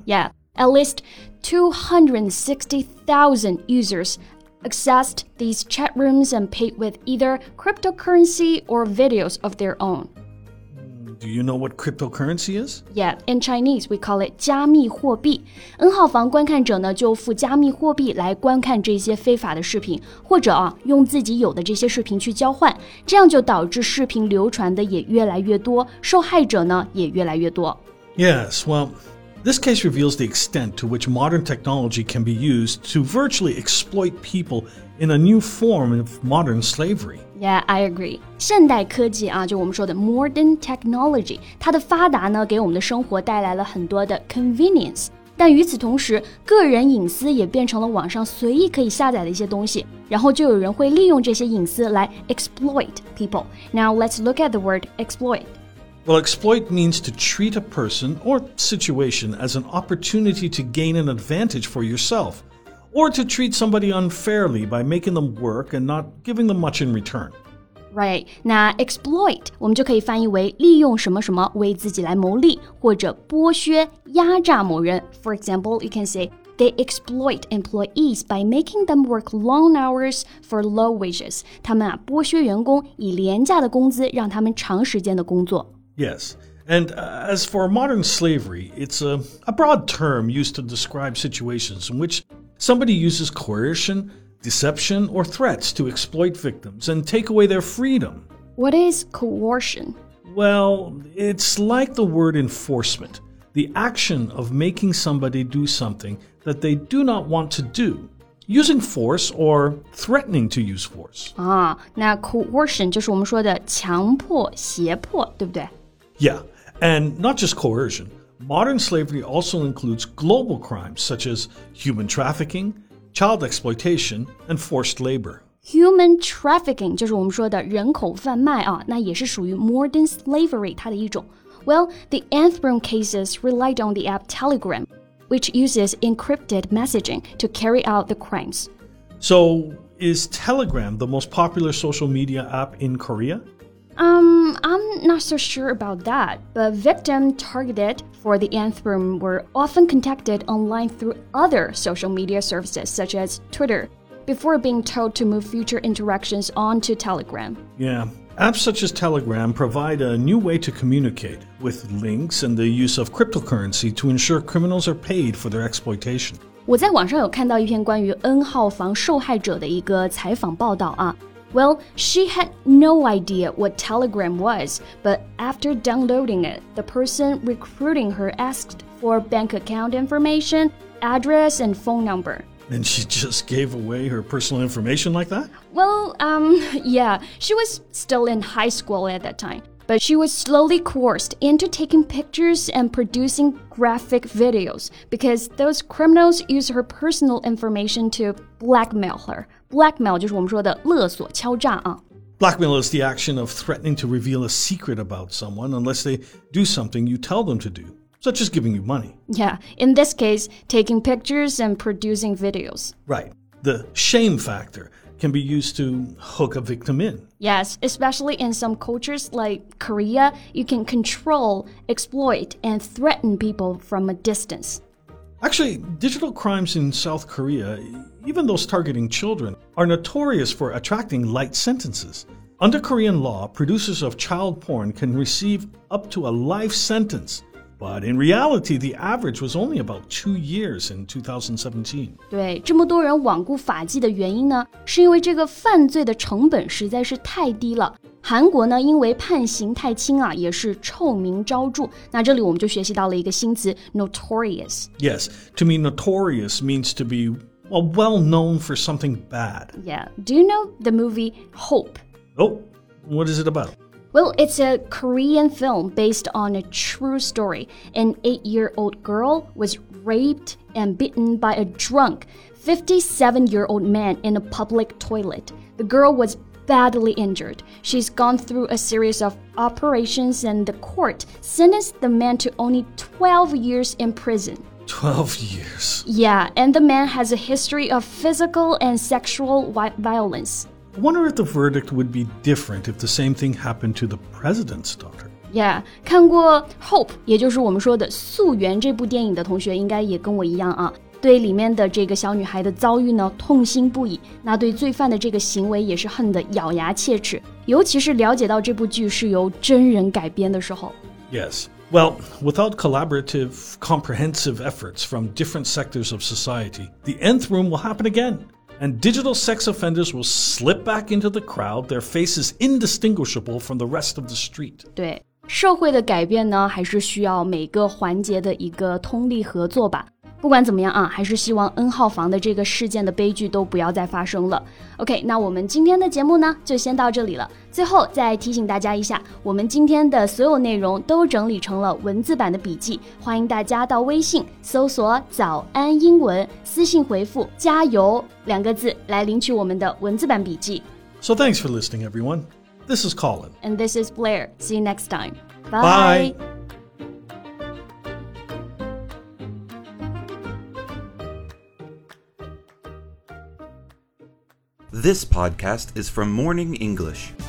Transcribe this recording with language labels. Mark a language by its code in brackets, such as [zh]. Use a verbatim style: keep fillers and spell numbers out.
[en] Yeah, at least two hundred sixty thousand users accessed these chat rooms and paid with either cryptocurrency or videos of their own. Do you know what cryptocurrency is? Yeah, in Chinese we call it 加密货币。 [zh] N 号房观看者呢就付加密货币来观看这些非法的视频，或者啊用自己有的这些视频去交换，这样就导致视频流传的也越来越多，受害者呢也越来越多。 [en] Yes, well, this case reveals the extent to which modern technology can be used to virtually exploit people in a new form of modern slavery. Yeah, I agree. [zh] 现代科技啊，就我们说的 [en] modern technology， [zh] 它的发达呢，给我们的生活带来了很多的 convenience。但与此同时，个人隐私也变成了网上随意可以下载的一些东西，然后就有人会利用这些隐私来 [en] exploit people. Now let's look at the word exploit. Well, exploit means to treat a person or situation as an opportunity to gain an advantage for yourself. Or to treat somebody unfairly by making them work and not giving them much in return. [zh] Right, 那 exploit 我们就可以翻译为利用什么什么为自己来谋利，或者剥削、压榨某人。 [en] For example, you can say, they exploit employees by making them work long hours for low wages. [zh] 他们啊，剥削员工，以廉价的工资让他们长时间的工作。 [en] Yes. And as for modern slavery, it's a, a broad term used to describe situations in which somebody uses coercion, deception, or threats to exploit victims and take away their freedom. What is coercion? Well, it's like the word enforcement, the action of making somebody do something that they do not want to do. Using force or threatening to use force. [zh] 啊，那 coercion 就是我们说的强迫、胁迫，对不对？ [en] Yeah. And not just coercion, modern slavery also includes global crimes such as human trafficking, child exploitation, and forced labor. Human trafficking [zh] 就是我们说的人口贩卖啊，那也是属于 [en] modern slavery [zh] 它的一种。 [en] Well, the Anthrone cases relied on the app Telegram, which uses encrypted messaging to carry out the crimes. So, is Telegram the most popular social media app in Korea? Um, I'm not so sure about that, but victims targeted for the Anthrone were often contacted online through other social media services such as Twitter. Before being told to move future interactions onto Telegram. Yeah, apps such as Telegram provide a new way to communicate with links and the use of cryptocurrency to ensure criminals are paid for their exploitation. [zh] 我在网上有看到一篇关于 N 号房受害者的一个采访报道啊。 [en] Well, she had no idea what Telegram was, but after downloading it, the person recruiting her asked for bank account information, address, and phone number. And she just gave away her personal information like that? Well, um, yeah, she was still in high school at that time. But she was slowly coerced into taking pictures and producing graphic videos because those criminals used her personal information to blackmail her. [zh] Blackmail 就是我们说的勒索敲诈啊。 [en] Blackmail is the action of threatening to reveal a secret about someone unless they do something you tell them to do. Such as giving you money. Yeah, in this case, taking pictures and producing videos. Right. The shame factor can be used to hook a victim in. Yes, especially in some cultures like Korea, you can control, exploit, and threaten people from a distance. Actually, digital crimes in South Korea, even those targeting children, are notorious for attracting light sentences. Under Korean law, producers of child porn can receive up to a life sentence. But in reality, the average was only about two years in twenty seventeen. [zh] 对，这么多人罔顾法纪的原因呢，是因为这个犯罪的成本实在是太低了。韩国呢，因为判刑太轻啊，也是臭名昭著。那这里我们就学习到了一个新词 notorious. [en] Yes, to me, notorious means to be well, well known for something bad. Yeah. Do you know the movie Hope? Oh, what is it about? Well, it's a Korean film based on a true story. An eight-year-old girl was raped and beaten by a drunk, fifty-seven-year-old man in a public toilet. The girl was badly injured. She's gone through a series of operations, and the court sentenced the man to only twelve years in prison. twelve years? Yeah, and the man has a history of physical and sexual violence. I wonder if the verdict would be different if the same thing happened to the president's daughter. [zh] Yeah, 看过 Hope, 也就是我们说的溯源这部电影的同学应该也跟我一样啊，对里面的这个小女孩的遭遇呢痛心不已，那对罪犯的这个行为也是恨得咬牙切齿，尤其是了解到这部剧是由真人改编的时候。 [en] Yes, well, without collaborative, comprehensive efforts from different sectors of society, the nth room will happen again. And digital sex offenders will slip back into the crowd, their faces indistinguishable from the rest of the street. [zh] 对，社会的改变呢，还是需要每个环节的一个通力合作吧。不管怎么样啊，还是希望 N 号房的这个事件的悲剧都不要再发生了。 OK, 那我们今天的节目呢，就先到这里了。最后再提醒大家一下，我们今天的所有内容都整理成了文字版的笔记，欢迎大家到微信搜索早安英文，私信回复加油两个字来领取我们的文字版笔记。 [en] So thanks for listening, everyone. This is Colin. And this is Blair. See you next time. Bye. Bye. This podcast is from Morning English.